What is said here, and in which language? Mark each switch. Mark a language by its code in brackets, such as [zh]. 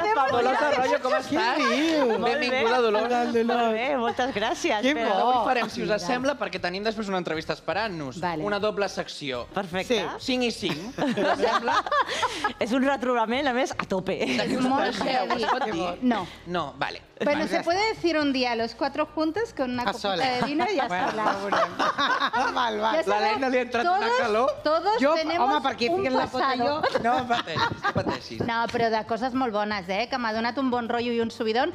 [ca] Dolors Arroyo, com estàs? Benvinguda, Dolors. Molt bé, moltes gràcies. Avui farem, si us sembla, perquè tenim després una entrevista esperant-nos. Una doble secció. Perfecte. 5 i 5. És un retrobament, a més, a tope. Molt bé. No. No, vale. [es] Bueno, se puede decir un día los cuatro juntos con una copita de vino y ya está. Bueno, mal, mal. [ca] La Lena li ha entrat una calor. [es] Todos tenemos un pasado. [ca] No, pateixis. No, però de coses molt bones, que m'ha donat un bon rotllo i un subidón.